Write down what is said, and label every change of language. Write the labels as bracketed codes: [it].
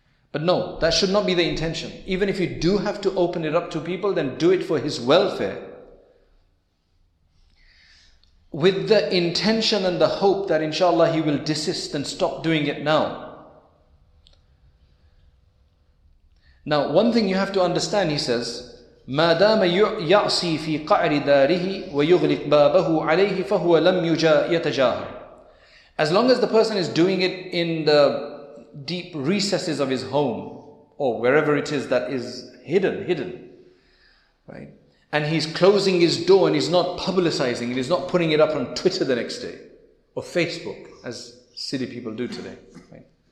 [en] But no, that should not be the intention. Even if you do have to open it up to people, then do it for his welfare, with the intention and the hope that inshallah he will desist and stop doing it now. Now, one thing you have to understand, he says, [ar] مَا دَامَ يَعْصِي فِي قَعْرِ دَارِهِ وَيُغْلِقْ بَابَهُ عَلَيْهِ فَهُوَ لَمْ يَتَجَاهَرْ. [en] As long as the person is doing it in the deep recesses of his home or wherever it is that is hidden, right? And he's closing his door and he's not publicizing it, he's not putting it up on Twitter the next day or Facebook, as silly people do today, right?